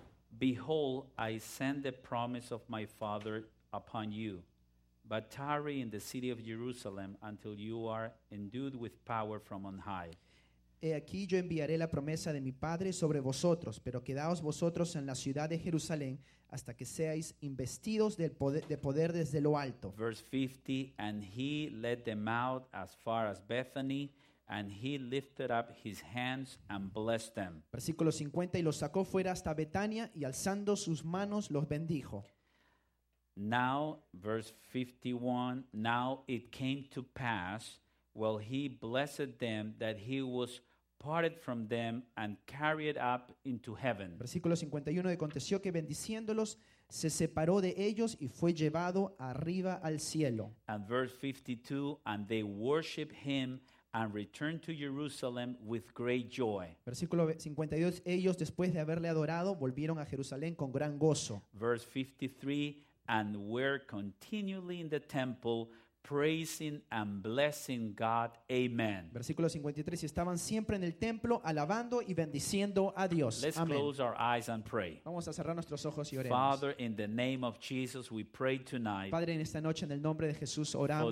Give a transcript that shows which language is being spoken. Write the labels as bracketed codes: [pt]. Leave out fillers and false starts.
[en] Behold, I send the promise of my Father upon you. But tarry in the city of Jerusalem until you are endued with power from on high. [es] He aquí yo enviaré la promesa de mi Padre sobre vosotros, pero quedaos vosotros en la ciudad de Jerusalén hasta que seáis investidos de poder desde lo alto. [en] Verse 50, and he led them out as far as Bethany, and he lifted up his hands and blessed them. [es] Versículo 50, y los sacó fuera hasta Betania, y alzando sus manos los bendijo. [en] Now, verse 51, now it came to pass, while he blessed them, that he was parted from them and carried up into heaven. [es] Versículo 51, aconteció que bendiciéndolos, se separó de ellos y fue llevado arriba al cielo. [en] And verse 52, and they worshiped him and returned to Jerusalem with great joy. [es] Versículo 52, ellos después de haberle adorado, volvieron a Jerusalén con gran gozo. [en] Verse 53, and were continually in the temple praising and blessing God. Amen. [es] Versículo 53, y estaban siempre en el templo alabando y bendiciendo a Dios. [en] Let's Amen. Close our eyes and pray. [es] Vamos a cerrar nuestros ojos y oremos. [en] Father, in the name of Jesus, we pray tonight. [es] Padre, en esta noche en el nombre de Jesús oramos.